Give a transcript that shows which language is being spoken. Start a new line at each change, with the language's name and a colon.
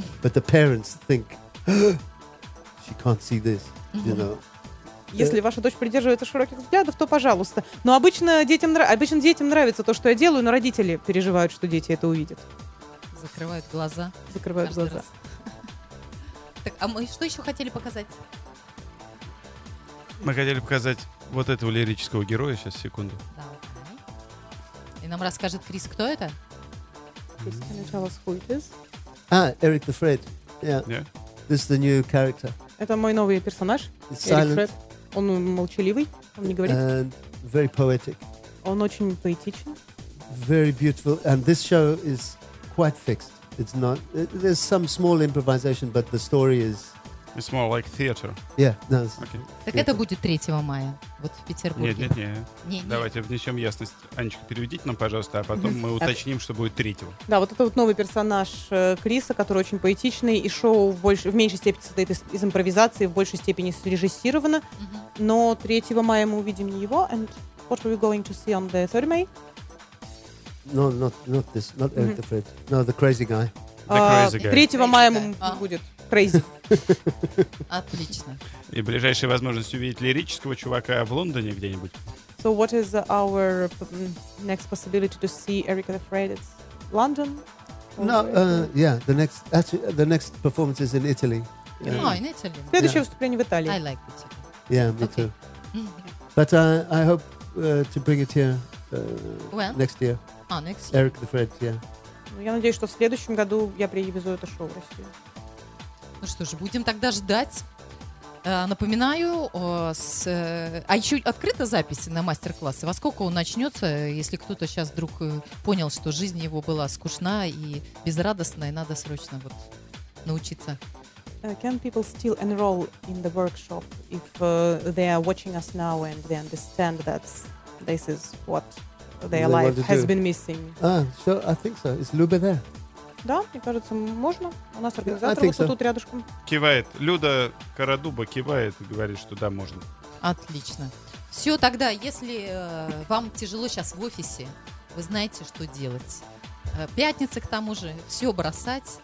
English: But the parents think, she can't see this, you know.
Russian: Если ваша дочь придерживается широких взглядов, то пожалуйста. Но обычно детям, обычно детям нравится то, что я делаю, но родители переживают, что дети это увидят. Закрывают глаза. Закрывают глаза. Так, а мы что еще хотели показать? Мы хотели показать вот этого лирического героя. Сейчас, секунду. Давай. И нам расскажет Крис, кто это?
English: Крис, can you tell us who it is? Eric the Fred. Yeah. Yeah. This is the new character.
Russian: Это мой новый персонаж.
English: It's Eric silent. Fred.
Russian: Он молчаливый, он не говорит.
English: And very poetic.
Russian: Он очень поэтичен.
English: Very beautiful. And this show is quite fixed. It's not... There's some small improvisation, but the story is... It's more like theater. Yeah. No, okay. Theater.
Russian: Так это будет 3 мая вот в Петербурге. Нет, нет, нет. Давайте внесем ясность. Анечка, переведите нам, пожалуйста, а потом мы уточним, что будет 3-го. Да, вот это вот новый персонаж Криса, который очень поэтичный, и шоу в меньшей степени состоит из импровизации, в большей степени срежиссировано. Но 3 мая мы увидим не его.
English: And what are we going to see on the 3rd May? No, not this. Not Eric the Fred. No, the crazy guy. The crazy guy.
Russian: 3 мая ему будет.
English: Crazy.
Russian: Отлично. И ближайшая возможность увидеть лирического чувака в Лондоне где-нибудь.
English: So what is our next possibility to see Eric the Fred? It's London? No, yeah, the next performance is in Italy. Italy.
Russian: Следующее выступление в Италии.
English: I like Italy. Yeah, me too. But I hope to bring it here next year. Next year. Eric the Fred, yeah.
Russian: Я надеюсь, что в следующем году я привезу это шоу в Россию. Ну что же, будем тогда ждать. Напоминаю, а еще открыта запись на мастер-классы. Во сколько он начнется, если кто-то сейчас вдруг понял, что жизнь его была скучна и безрадостна, и надо срочно вот научиться.
English: Can people still enroll in the workshop if they are watching us now and they understand that this is what their life has been missing? Sure, I think so. Is Luba there?
Russian: Да, мне кажется, можно. У нас организатор вот тут рядышком. Кивает. Люда Карадуба кивает и говорит, что да, можно. Отлично. Все, тогда, если вам тяжело сейчас в офисе, вы знаете, что делать. Пятница, к тому же, все бросать.